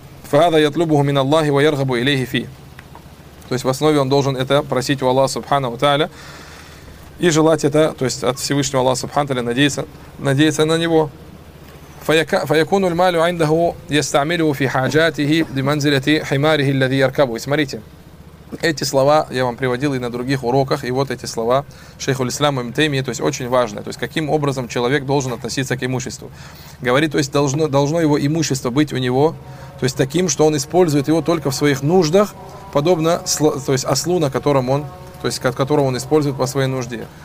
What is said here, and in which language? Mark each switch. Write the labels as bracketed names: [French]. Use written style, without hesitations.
[Arabic] Фахаза ятлубуху мин Аллахи ва яргабу илейхи фи. [Russian] То есть в основе он должен это просить у Аллаха Субханаху ва Тааля и желать это, то есть от Всевышнего Аллаха Субханаху ва Тааля надеяться на него. [Arabic] فيكون المال عنده يستعمله في حاجاته بمنزلة حماره الذي يركبه. [Russian] Смотрите, эти слова я вам приводил и на других уроках, и вот эти слова шейху ислама ибн Таймия, то есть очень важно, то есть каким образом человек должен относиться к имуществу. Говорит, то есть должно его имущество быть у него, то есть таким, что он использует его только в своих нуждах, подобно, то есть ослу, на котором он, то есть которого он использует по своей нужде.